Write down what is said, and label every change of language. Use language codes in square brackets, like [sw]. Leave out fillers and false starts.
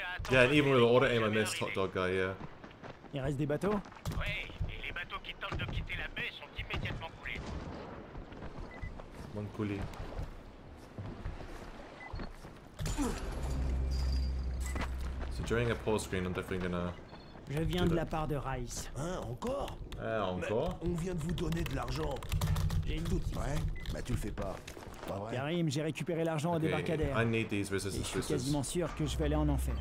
[en] Yeah, and even with the auto aim, I missed Hot Dog Guy, yeah. [fr] Il reste des bateaux? Oui, et les bateaux qui tentent de quitter la baie sont immédiatement coulés. Bon coulé. [en] So during a pause screen, I'm definitely gonna. [fr] Je viens de la part de Rice. Hein, encore? Encore? Mais on vient de vous donner de l'argent. J'ai une doute. Ouais, bah tu le fais pas. Pas vrai. Karim, j'ai récupéré l'argent au débarcadère. [en] I need these resistance boosters. [fr] Je suis quasiment sûr que je vais aller en enfer.